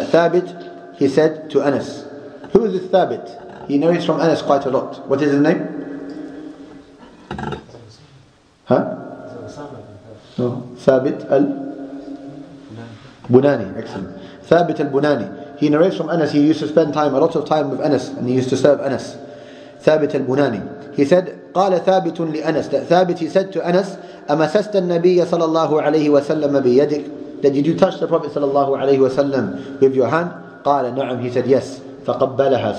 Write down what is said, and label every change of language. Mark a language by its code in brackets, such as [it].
[en] ثابت, he said to Anas. Who is this ثابت? He narrates from Anas quite a lot. What is his name? [ar] ها؟ ثابت ال بناني ثابت البناني. [en] He narrates from Anas. He used to spend time, a lot of time with Anas, and he used to serve Anas. [ar] ثابت البناني. [en] He said, [ar] قال ثابت لأنس. [en] That ثابت, he said to Anas, [ar] أمسست النبي صلى الله عليه وسلم بيدك. [en] That did you touch the Prophet صلى الله عليه وسلم with your hand? [ar] قال نعم. [en] He said yes. [ar] فقبلها.